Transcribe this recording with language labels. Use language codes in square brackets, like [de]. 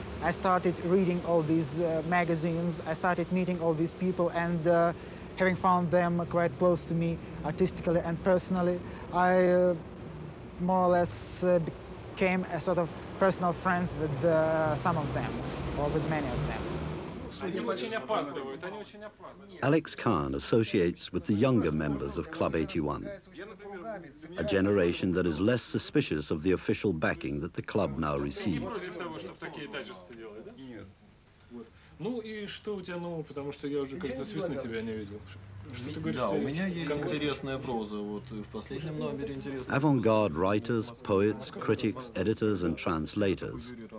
[en] I started reading all these magazines, I started meeting all these people, and having found them quite close to me artistically and personally, I more or less became a sort of personal friends with some of them, or with many of them. Alex Kahn associates with the younger members of Club 81, a generation that is less suspicious of the official backing that the club now receives. [ru] Ну и что у тебя нового, потому что я уже, кажется, свистну тебя не видел. Что ты говоришь? Да, у меня есть интересная проза, вот в последнем номере интересная. [en] Avant-garde writers, poets, critics, editors and translators.